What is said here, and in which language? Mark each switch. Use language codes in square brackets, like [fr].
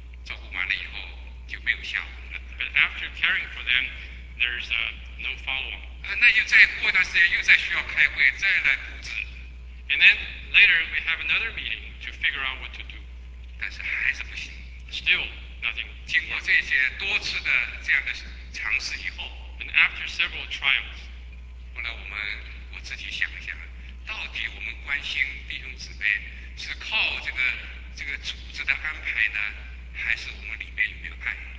[zh] 照顾完了以后，就没有下文。 [en] But after caring for them, there's no follow-up. [zh] 那又再过一段时间又再需要开会，再来布置。 [en] And then later we have another meeting to figure out what to do. [zh] 但是还是不行。 [en] Still nothing. [zh] 经过这些多次的这样的尝试以后 [en] ，And after several trials, [zh] 后来我自己想一想，到底我们关心弟兄姊妹是靠这个组织的安排呢，还是我们里面有没有爱？